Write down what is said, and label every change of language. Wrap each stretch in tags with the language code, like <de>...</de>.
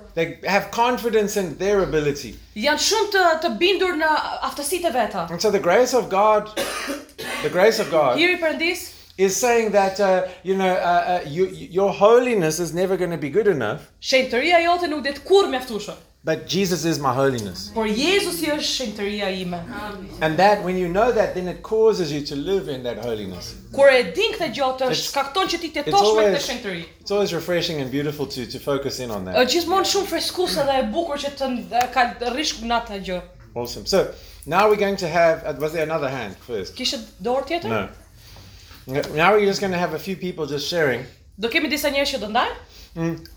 <en>They have confidence in their ability.</en> <sq>Janë shumë të bindur në aftësitë e veta.</sq> <en>And so the grace of God,</en> <sq>Hiri Perëndis,</sq> <en>is saying that your holiness is never going to be good enough.</en> <sq>Shëntëria jote nuk do të kurrë mjaftueshme.</sq> <en>But Jesus is my holiness.</en> <sq>Por Jezusi është shëntëria ime.</sq> <en>And that when you know that, then it causes you to live in that holiness.</en> <sq>Kur e din këtë gjotë, shkakton që ti të jetosh me këtë shëntëri.</sq> <en>It's always refreshing and beautiful to focus in on that.</en> <sq>Është gjithmonë shumë freskuese dhe e bukur që të ka rrish në atë gjë.</sq> <en>Awesome. So, now we're going to have, was there another hand first?</en> <sq>Kishe dorë tjetër?</sq> <en>No. Now we're just going to have a few people just sharing.</en> <sq>Do kemi disa njerëz që do ndajnë?</sq>